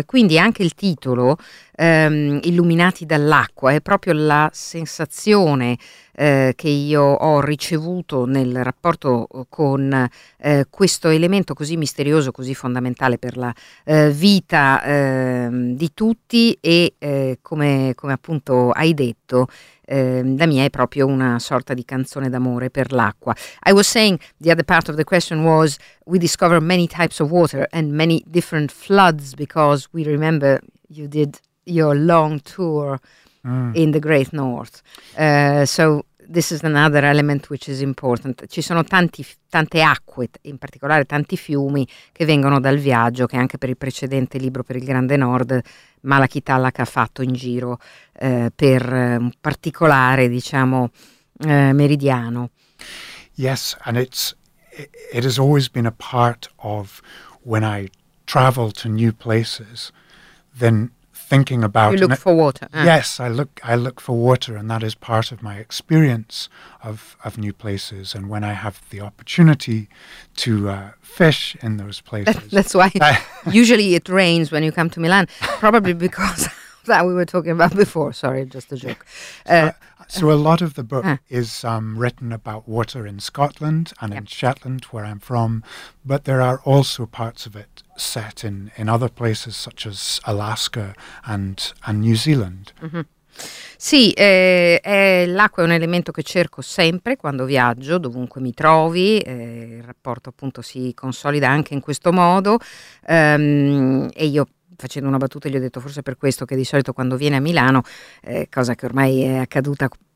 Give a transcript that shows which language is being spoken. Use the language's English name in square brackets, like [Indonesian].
[Italian] E quindi anche il titolo, Illuminati dall'acqua, è proprio la sensazione che io ho ricevuto nel rapporto con questo elemento così misterioso, così fondamentale per la vita di tutti e, come appunto hai detto, la mia è proprio una sorta di canzone d'amore per l'acqua. [English] I was saying the other part of the question was we discover many types of water and many different floods because we remember you did your long tour in the Great North. So this is another element which is important. [Italian] Ci sono tante acque, in particolare tanti fiumi che vengono dal viaggio che anche per il precedente libro per il Grande Nord Malachi Tallak ha fatto in giro per un particolare, diciamo, meridiano. [English] Yes, and it has always been a part of when I travel to new places, then thinking about you look for water. Yes, I look for water, and that is part of my experience of new places. And when I have the opportunity to fish in those places, that's why usually it rains when you come to Milan. Probably because that we were talking about before. Sorry, just a joke. So a lot of the book is written about water in Scotland and in Shetland, where I'm from, but there are also parts of it set in other places such as Alaska and New Zealand. [Italian] Sì, l'acqua è un elemento che cerco sempre quando viaggio, dovunque mi trovi, il rapporto appunto si consolida anche in questo modo, e io facendo una battuta gli ho detto forse per questo che di solito quando viene a Milano, cosa che ormai è accaduta